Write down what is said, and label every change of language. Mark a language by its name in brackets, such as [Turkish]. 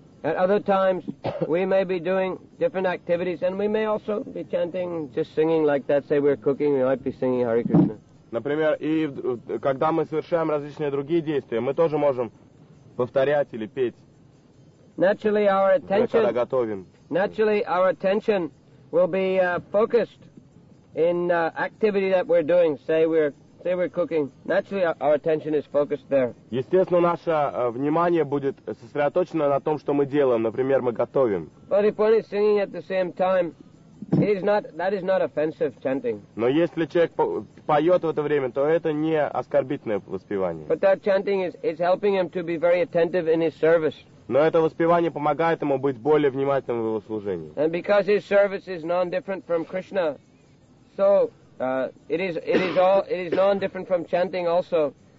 [English] At other times, we may be doing different activities, and we may also be chanting, just singing like that. Say we're cooking, we might be singing Hare Krishna. [Russian] Например, и когда мы совершаем различные другие действия, мы тоже можем повторять или петь. [English] Naturally, our attention. [Russian] Когда готовим. [English] Naturally, our attention will be focused in activity that we're doing. Say we're cooking. Naturally, our attention is focused there. [Russian] Естественно, наше внимание будет сосредоточено на том, что мы делаем. Например, мы готовим. [English] But if one is singing at the same time, that is not offensive chanting. [Russian] Но если человек поет в это время, то это не оскорбительное воспевание. [English] But that chanting is helping him to be very attentive in his service. [Russian] Но это воспевание помогает ему быть более внимательным в его служении. [English] And because his service is non-different from Krishna, so it is non-different from chanting also.